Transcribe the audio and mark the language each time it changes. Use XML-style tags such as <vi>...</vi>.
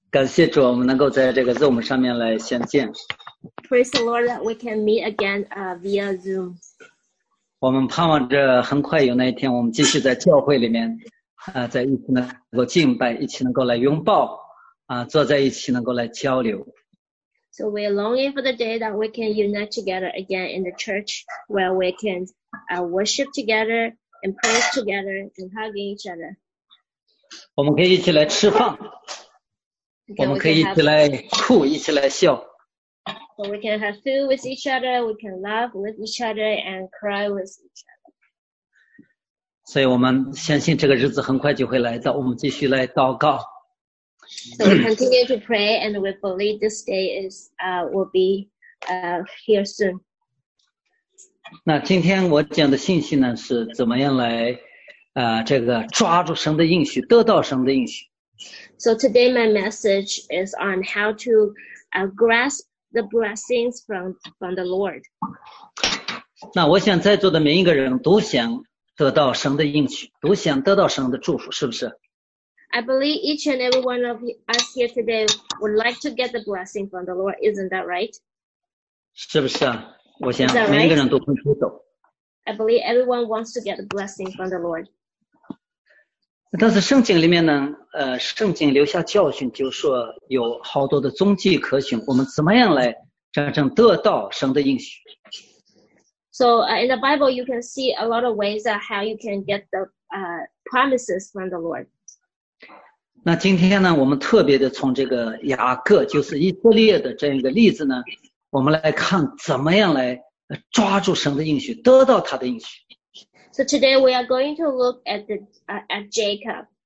<zh>感谢主，我们能够在这个 Zoom 上面来相见。</zh> <en>Praise the Lord that we can meet again via Zoom.</en> <zh>我们盼望着很快有那一天，我们继续在教会里面，在一起能够敬拜，一起能够来拥抱，坐在一起能够来交流。</zh> <en>So we're longing for the day that we can unite together again in the church, where we can worship together and praise together and hugging each other.</en> <zh>我们可以一起来吃饭。 Okay, 我们可以一起来哭，一起来笑。</zh> <en>So we can have food with each other, we can laugh with each other and cry with each other.</en> <zh>所以我们相信这个日子很快就会来到，我们继续来祷告。</zh> <en>So we continue to pray and we believe this day is, will be, here soon.</en> <zh>那今天我讲的信息呢，是怎么样来，这个抓住神的应许，得到神的应许。</zh> <en>So today my message is on how to grasp the blessings from the Lord.</en> <zh>那我想在座的每一个人都想得到神的应许，都想得到神的祝福，是不是？</zh> <en>I believe each and every one of us here today would like to get the blessing from the Lord, isn't that right?</en> <zh>是不是啊？我想每一个人都会祈祷。</zh> <en>I believe everyone wants to get the blessing from the Lord.</en> <zh>但是圣经里面呢，圣经留下教训，就是说有好多的踪迹可循，我们怎么样来真正得到神的应许</zh> <en>？So in the Bible, you can see a lot of ways that how you can get the promises from the Lord.</en> <zh>那今天呢，我们特别的从这个雅各，就是以色列的这样一个例子呢，我们来看怎么样来抓住神的应许，得到他的应许。</zh> <en>So today we are going to look at the, at Jacob.</en>